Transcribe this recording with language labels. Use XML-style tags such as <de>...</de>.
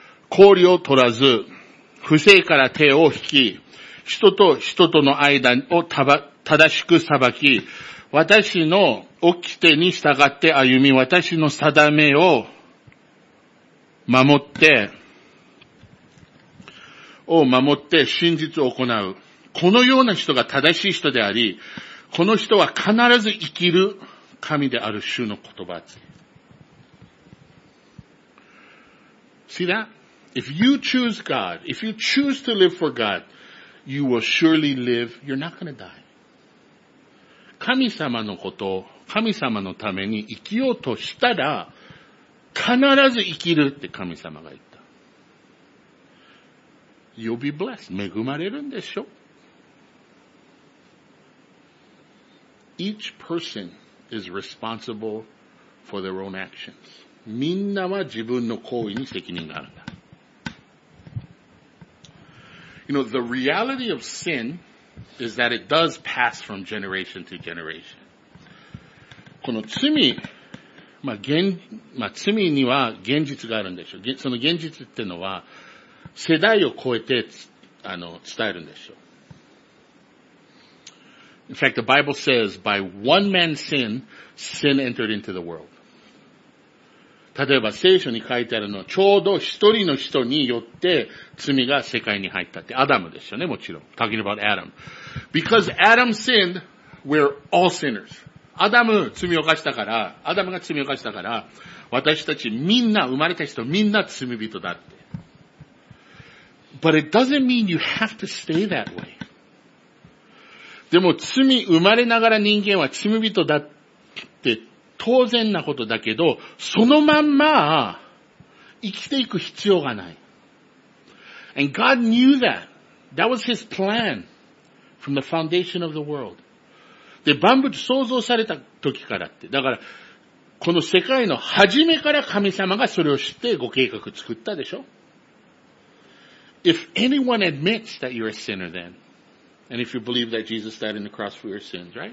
<ja>氷を取らず、不正から手を引き、人と人との間を正しく裁き、私の掟に従って歩み、私の定めを守って真実を行う。このような人が正しい人であり、この人は必ず生きる。神である主の言葉です。</ja> <en>See that? If you choose God, if you choose to live for God, you will surely live, you're not gonna die.</en> <ja>神様のこと、神様のために生きようとしたら、必ず生きるって神様が言った。</ja> <en>You'll be blessed.</en> <ja>恵まれるんでしょ?</ja> <en>Each person,is responsible for their own actions.</en> <ja>みんなは自分の行為に責任があるんだ。</ja> <en>You know, the reality of sin is that it does pass from generation to generation. In fact, the Bible says, by one man's sin, sin entered into the world.</en> <ja>例えば聖書に書いてあるのは、ちょうど一人の人によって罪が世界に入ったって。アダムですよね、もちろん。</ja> <en>Talking about Adam. Because Adam sinned, we're all sinners.</en> <ja>アダム罪を犯したから、アダムが罪を犯したから、私たちみんな、生まれた人みんな罪人だって。</ja> <en>But it doesn't mean you have to stay that way.</en> <ja>でも罪、生まれながら人間は罪人だって、当然なことだけど、そのまんま生きていく必要がない。</ja> <en>And God knew that. That was His plan from the foundation of the world.</en> <ja>で、万物創造された時からって。だから、この世界の初めから神様がそれを知ってご計画作ったでしょ?</ja> <en>If anyone admits that you're a sinner then, and if you believe that Jesus died on the cross for your sins, right?</en>